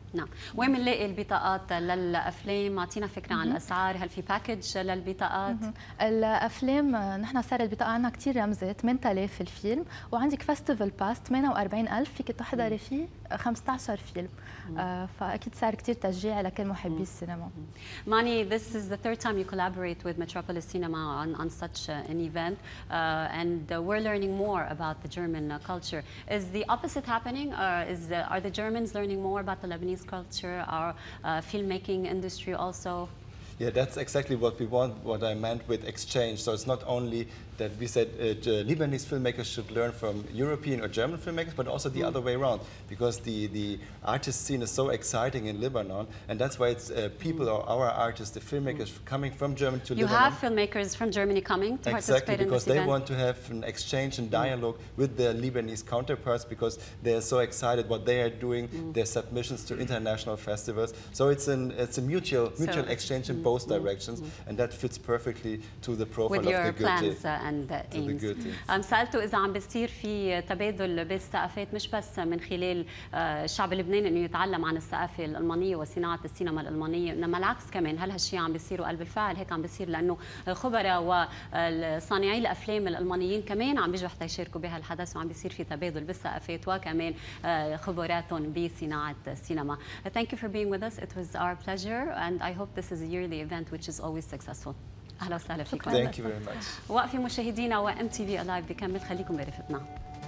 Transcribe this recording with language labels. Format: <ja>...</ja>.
<ar>نعم، وين بنلاقي البطاقات للافلام؟ اعطينا فكره عن الاسعار، هل في باكج للبطاقات؟ الافلام نحن سعر البطاقه عندنا كثير رمزي 8,000 الفيلم، وعندك فيستيفال باس 48,000 فيك تحضري فيه 15 فيلم. فاكيد سعر كثير تشجيع لكل محبي السينما.</ar> <en>ماني، this is the third time you collaborate with Metropolis Cinema on such an event and we're learning more about the German culture. Is the opposite happening or are the Germans learning more about the Lebanese culture, our filmmaking industry also? Yeah, that's exactly what we want, what I meant with exchange. So it's not only that we said Lebanese filmmakers should learn from European or German filmmakers, but also the other way around, because the artist scene is so exciting in Lebanon, and that's why it's people or our artists, the filmmakers coming from Germany to you Lebanon. You have filmmakers from Germany coming to participate in this event. Exactly, because they want to have an exchange and dialogue with their Lebanese counterparts, because they're so excited what they are doing, their submissions to international festivals. So it's a mutual exchange in both directions, and that fits perfectly to the profile with of the Goethe. And aims.</en> <ar>سألته إذا عم بيصير في تبادل بالثقافات مش بس من خلال الشعب اللبناني إنه يتعلم عن الثقافة الألمانية وصناعة السينما الألمانية، إنما العكس كمان، هل هالشيء عم بيصير وقلب الفعل هيك عم بيصير لأنه الخبراء وصانعي الأفلام الألمانيين كمان عم بيجوا حتى يشاركوا بهالحدث وعم بيصير في تبادل بالثقافات وكمان خبراتهم بصناعة السينما.</ar> <en>Thank you for being with us. It was our pleasure and I hope this is a yearly event which is always successful.</en> <ar>أهلا وسهلا فيكم.</ar> <en>Thank you very much.</en> <ar>وقفي مشاهدينا وMTV Alive بكمل، خليكم برفقتنا.</ar>